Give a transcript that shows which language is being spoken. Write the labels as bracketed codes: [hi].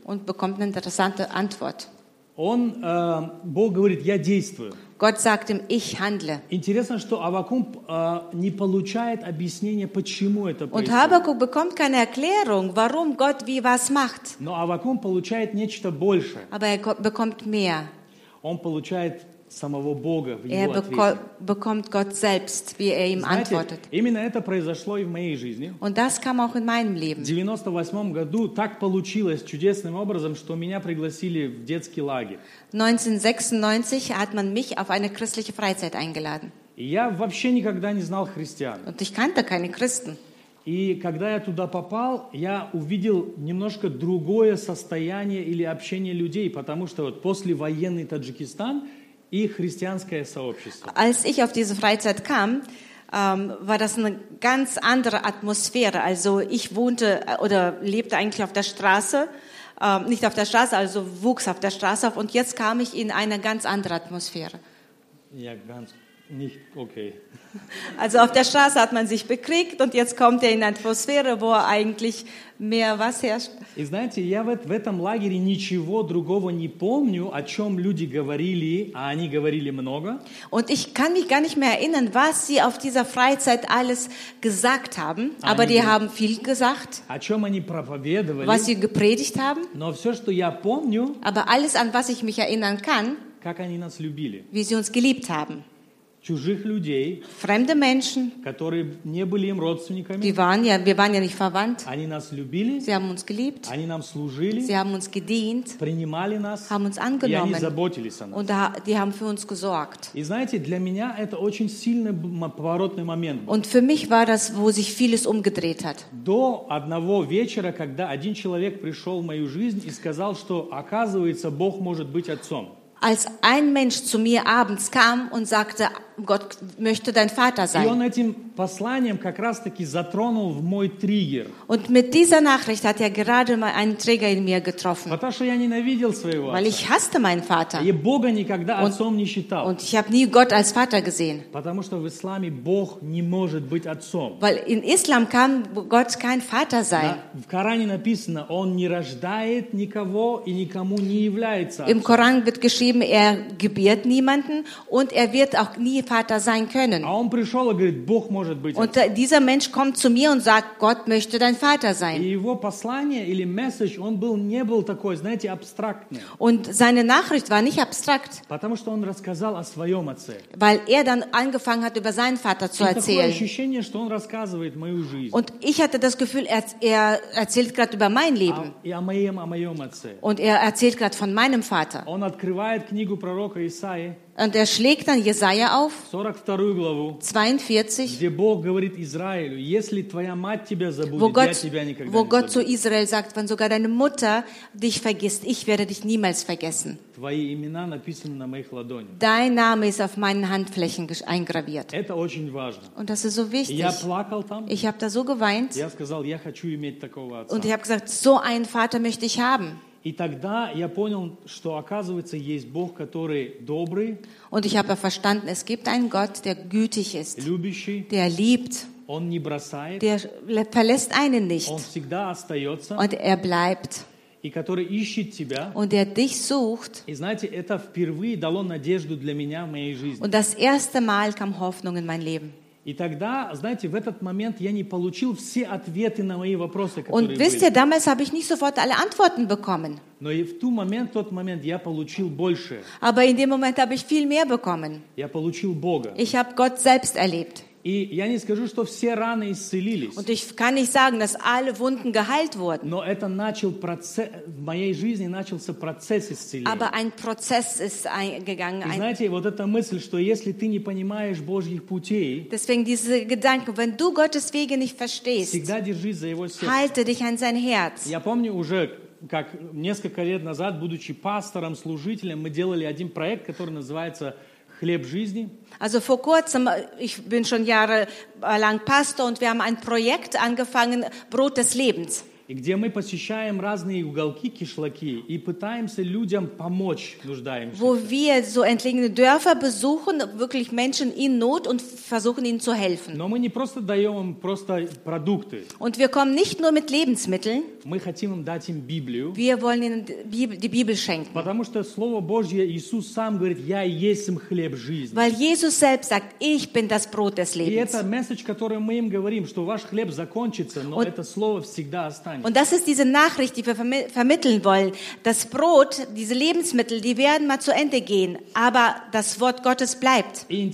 [de] Und bekommt eine interessante Antwort. [ru] Он, Бог говорит, я действую. [de] Gott sagt ihm, ich handle. [ru] Интересно, что Аввакум не получает объяснения, почему это происходит. [de] Und Habakkuk bekommt keine Erklärung, warum Gott wie was macht. [ru] Но Аввакум получает нечто большее. [de] Aber er bekommt mehr. [ru] Он получает самого Бога в его ответ. [de] Bekommt Gott selbst, wie er ihm antwortet. [ru] Именно это произошло и в моей жизни. [de] Und das kam auch in meinem Leben. [ru] В 98 году так получилось чудесным образом, что меня пригласили в детский лагерь. [de] 1996 hat man mich auf eine christliche Freizeit eingeladen. [ru] Я вообще никогда не знал христиан. [de] Und ich kannte keine Christen. [ru] И когда я туда попал, я увидел немножко другое состояние или общение людей, потому что вот послевоенный Таджикистан и христианское сообщество. [de] Als ich auf diese Freizeit kam, war das eine ganz andere Atmosphäre. Also ich wohnte oder lebte eigentlich auf der Straße, nicht auf der Straße, also wuchs auf der Straße auf. Und jetzt kam ich in eine ganz andere Atmosphäre. Ja, ganz nicht okay. Also auf der Straße hat man sich bekriegt und jetzt kommt er in eine Atmosphäre, wo er eigentlich mehr was herrscht. [ru] И знаете, я в этом лагере ничего другого не помню, о чем люди говорили, а они говорили много. [de] Und ich kann mich gar nicht mehr erinnern, was sie auf dieser Freizeit alles gesagt haben, aber die haben viel gesagt. [ru] О чем они проповедовали? [de] Was sie gepredigt haben? [ru] Но все, что я помню, [de] aber alles, an was ich mich erinnern kann, [ru] как они нас любили. [de] Wie sie uns geliebt haben. [ru] Чужих людей, [de] fremde Menschen, [ru] которые не были им родственниками, [de] wir waren ja nicht verwandt, [ru] они нас любили, [de] sie haben uns geliebt, [ru] они нам служили, [de] sie haben uns gedient, [ru] принимали нас, [de] haben uns angenommen, [ru] и они заботились о нас. [de] Und die haben für uns gesorgt. [ru] И знаете, для меня это очень сильный поворотный момент был. [de] Und für mich war das, wo sich vieles umgedreht hat. [ru] До одного вечера, когда один человек пришел в мою жизнь и сказал, что оказывается, Бог может быть отцом. [de] Als ein Mensch zu mir abends kam und sagte, Gott möchte dein Vater sein. [ru] И он этим посланием как раз-таки затронул в мой триггер. [de] Und mit dieser Nachricht hat er gerade mal einen Trigger in mir getroffen. [ru] Потому что я ненавидел своего отца. [de] Weil ich hasste meinen Vater. [ru] И Бога никогда отцом не считал. [de] Und ich habe nie Gott als Vater gesehen. [ru] Потому что в исламе Бог не может быть отцом. [de] Weil in Islam kann Gott kein Vater sein. [ru] В Коране написано, он не рождает никого и никому не является отцом. [de] Im Koran wird geschrieben, er gebiert niemanden und er wird auch nie Vater sein können. [ru] А он пришел и говорит, Бог может быть. [de] Und dieser Mensch kommt zu mir und sagt, Gott möchte dein Vater sein. [ru] И его послание или message, он был, не был такой, знаете, абстрактный. [de] Und seine Nachricht war nicht abstrakt. [ru] Потому что он рассказал о своем отце. [de] Weil dann angefangen hat, über seinen Vater zu erzählen. [ru] И такое ощущение, что он рассказывает мою жизнь. [de] Und ich hatte das Gefühl, er erzählt gerade über mein Leben. [ru] О моем отце. [de] Und erzählt gerade von meinem Vater. [ru] Он открывает книгу пророка Исаии. [de] Und schlägt dann Jesaja auf, [ru] 42 главу, [de] 42, [ru] где Бог говорит Израилю, если твоя мать тебя забудет, я тебя никогда не забуду. [de] Wo Gott zu Israel sagt, wenn sogar deine Mutter dich vergisst, ich werde dich niemals vergessen. [ru] Твои имена написаны на моих ладонях. [de] Dein Name ist auf meinen Handflächen eingraviert. [ru] Это очень важно. [de] Und das ist so wichtig. [ru] Я плакал там. [de] Ich habe da so geweint. [ru] Я сказал, я хочу иметь такого отца. [de] Und ich habe gesagt, so einen Vater möchte ich haben. [ru] И тогда я понял, что оказывается есть Бог, который добрый. [de] Und ich habe verstanden, es gibt einen Gott, der gütig ist. [ru] Любящий. [de] Der liebt. [ru] Он не бросает. [de] Der verlässt einen nicht. [ru] Он всегда остается. [de] Und bleibt. [ru] И который ищет тебя. [de] Und dich sucht. [ru] И знаете, это впервые дало надежду для меня в моей жизни. [de] Und das erste Mal kam Hoffnung in mein Leben. [ru] И тогда, знаете, в этот момент я не получил все ответы на мои вопросы, которые были. [de] Wisst ihr, damals habe ich nicht sofort alle Antworten bekommen. [ru] Но и в ту момент, тот момент я получил больше. [de] Aber in dem Moment habe ich viel mehr bekommen. [ru] Я получил Бога. [de] Ich habe Gott selbst erlebt. [ru] И я не скажу, что все раны исцелились. [de] Und ich kann nicht sagen, dass alle Wunden geheilt wurden. [ru] Но это начал процесс, в моей жизни начался процесс исцеления. [de] Aber ein Prozess ist gegangen. [ru] И знаете, вот эта мысль, что если ты не понимаешь Божьих путей, [de] Deswegen diese Gedanken, wenn du Gottes Wege nicht verstehst, [ru] всегда держись за его сердце. [de] Halte dich an sein Herz. [ru] Я помню уже, как несколько лет назад, будучи пастором, служителем, мы делали один проект, который называется «Хлеб жизни». [de] Also vor kurzem, ich bin schon jahrelang Pastor und wir haben ein Projekt angefangen, Brot des Lebens. [ru] И где мы посещаем разные уголки, кишлаки и пытаемся людям помочь нуждающимся. [de] Wo wir so entlegene Dörfer besuchen, wirklich Menschen in Not und versuchen ihnen zu helfen. [ru] Но мы не просто даем им просто продукты. [de] Und wir kommen nicht nur mit Lebensmitteln. [ru] Мы хотим им дать им Библию. [de] Wir wollen ihnen die Bibel schenken. [ru] Потому что Слово Божье, Иисус сам говорит: «Я есть им хлеб жизни». [de] Weil Jesus selbst sagt: «Ich bin das Brot des Lebens». [ru] И это месседж, который мы им говорим, что ваш хлеб закончится, но это слово всегда останется. [de] Und das ist diese Nachricht, die wir vermitteln wollen. Das Brot, diese Lebensmittel, die werden mal zu Ende gehen, aber das Wort Gottes bleibt.